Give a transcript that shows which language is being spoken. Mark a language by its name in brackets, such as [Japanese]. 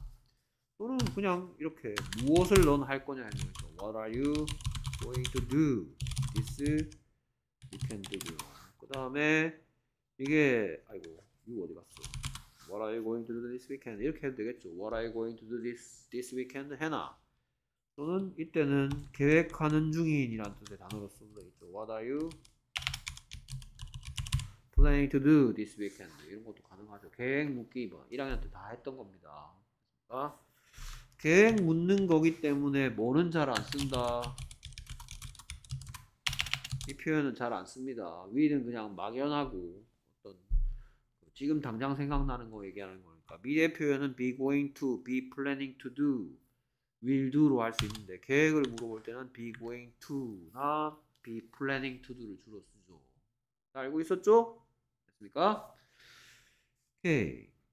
[Korean] 또는 그냥 이렇게 무엇을 넌 할 거냐 하는 거죠. [English] What are you going to do this weekend? [Korean] 그 다음에 이게 아이고 이거 어디 갔어? [English] What are you going to do this weekend? [Korean] 이렇게 해도 되겠죠. [English] What are you going to do this weekend? [Korean] 해놔. 또는 이때는 계획하는 중인이라는 뜻의 단어로 쓰면 되겠죠. [English] What are you planning to do this weekend? [Korean] 이런 것도 가능하죠. 계획 묻기 2번. 1학년 때 다 했던 겁니다. 아? 계획 묻는 거기 때문에 뭐는 잘 안 쓴다. 이 표현은 잘 안 씁니다. 위는 그냥 막연하고 어떤 지금 당장 생각나는 거 얘기하는 거니까 미래 표현은 be going to, be planning to do, will do로 할 수 있는데 계획을 물어볼 때는 be going to나 be planning to do를 주로 쓰죠. 알고 있었죠? 됐습니까? 오케이.